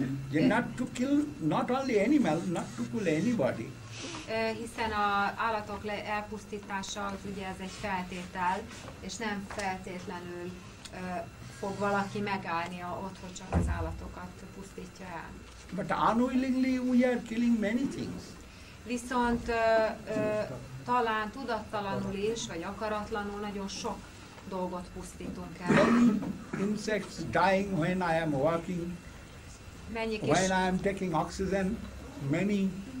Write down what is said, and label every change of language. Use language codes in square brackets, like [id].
[en] Not to kill not only animals, not to kill anybody. [hu] Hiszen az állatok elpusztítása az ugye ez egy feltétel, és nem feltétlenül fog valaki megállni ott, hogy csak az állatokat pusztítja el. [en] But unwillingly we are killing many things. [hu] Viszont talán tudattalanul is, vagy akaratlanul nagyon sok dolgot pusztítunk el. [en] Many insects dying when I am walking, when I am taking oxygen, many